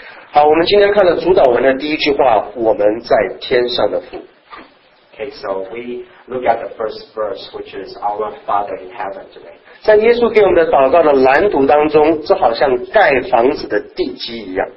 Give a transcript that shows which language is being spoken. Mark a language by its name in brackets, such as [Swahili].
[Chinese] 好，我们今天看了主导文的第一句话，我们在天上的父。 [English] Okay, so we look at the first verse, which is Our Father in Heaven today. [Chinese] 在耶稣给我们的祷告的蓝图当中，这好像盖房子的地基一样。